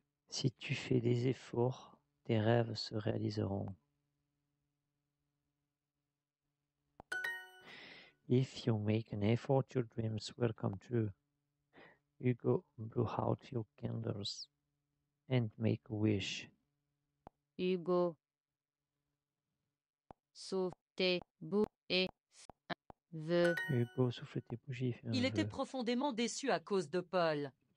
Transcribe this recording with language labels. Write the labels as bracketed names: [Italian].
[French] Si tu fais des efforts, tes rêves se réaliseront. [English] If you make an effort, your dreams will come true. Hugo blew out your candles and make a wish. [French] Hugo, souffle tes bougies et fais un vœu. Hugo, souffle tes bougies et fais un vœu. Il était profondément déçu à cause de Paul.